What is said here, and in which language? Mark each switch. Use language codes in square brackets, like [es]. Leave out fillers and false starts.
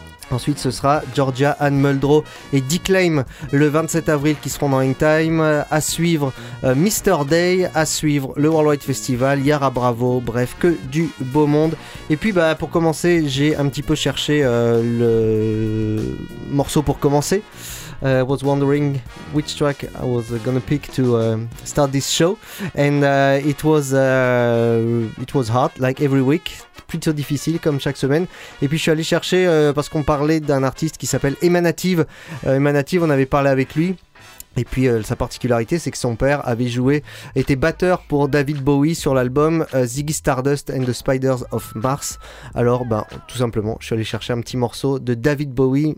[fr] Ensuite, ce sera Georgia Ann Muldrow et D-Claim le 27 avril qui seront dans Hangtime. À suivre Mr. Day, à suivre le Worldwide Festival, Yara Bravo, bref, que du beau monde. Et puis, bah, pour commencer, j'ai un petit peu cherché le morceau pour commencer. [en] I was wondering which track I was gonna pick to start this show, and it was hard, like every week, [fr] plutôt difficile comme chaque semaine. Et puis je suis allé chercher parce qu'on parlait d'un artiste qui s'appelle Emanative. Emanative, on avait parlé avec lui. Et puis sa particularité, c'est que son père avait joué, était batteur pour David Bowie sur l'album Ziggy Stardust and the Spiders of Mars. Alors, ben, tout simplement, je suis allé chercher un petit morceau de David Bowie.